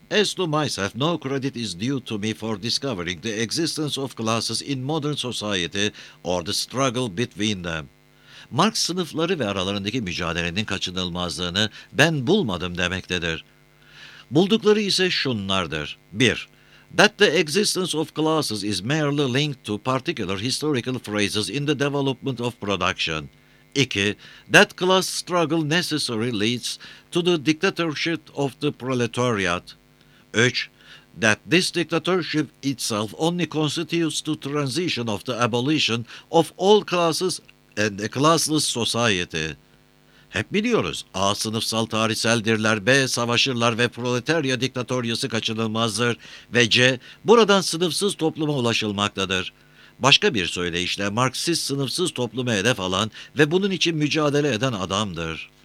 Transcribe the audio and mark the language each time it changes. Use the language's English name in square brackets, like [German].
[English] As to myself, no credit is due to me for discovering the existence of classes in modern society or the struggle between them. [Turkish] Marx sınıfları ve aralarındaki mücadelenin kaçınılmazlığını ben bulmadım demektedir. Buldukları ise şunlardır. 1. [English] That the existence of classes is merely linked to particular historical phases in the development of production. 2. That class struggle necessarily leads to the dictatorship of the proletariat. 3. That this dictatorship itself only constitutes the transition of the abolition of all classes and a classless society. [Turkish] Hep biliyoruz, A sınıfsal tarihseldirler, B savaşırlar ve proletarya diktatoryası kaçınılmazdır ve C buradan sınıfsız topluma ulaşılmaktadır. Başka bir söyleyişle Marksist sınıfsız toplumu hedef alan ve bunun için mücadele eden adamdır.